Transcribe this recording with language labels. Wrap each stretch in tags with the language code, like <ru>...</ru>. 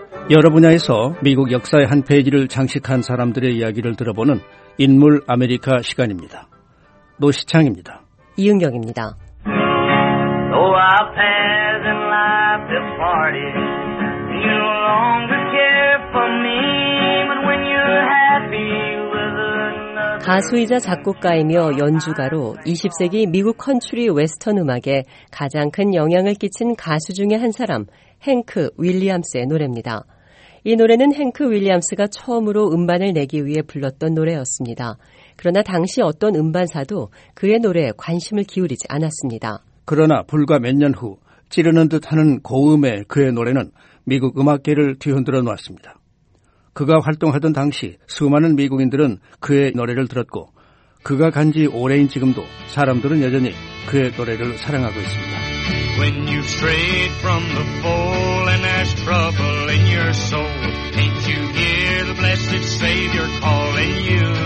<ko>여러 분야에서 미국 역사의 한 페이지를 장식한 사람들의 이야기를 들어보는 인물 아메리카 시간입니다. 노시창입니다. 이은경입니다.</ko> <en>Oh, I've had in life this party. You no longer care for me, but when you're happy with another.</en> <ko>가수이자 작곡가이며 연주가로 20세기 미국 컨트리 웨스턴 음악에 가장 큰 영향을 끼친 가수 중에 한 사람, 행크 윌리엄스의 노래입니다. 이 노래는 행크 윌리엄스가 처음으로 음반을 내기 위해 불렀던 노래였습니다. 그러나 당시 어떤 음반사도 그의 노래에 관심을 기울이지 않았습니다. 그러나 불과 몇 년 후 찌르는 듯하는 고음의 그의 노래는 미국 음악계를 뒤흔들어 놓았습니다. 그가 활동하던 당시 수많은 미국인들은 그의 노래를 들었고 그가 간 지 오래인 지금도 사람들은 여전히 그의 노래를 사랑하고 있습니다.</ko> <en>When you strayed from the fold and there's trouble in your soul, can't you hear the blessed Savior calling you?</en>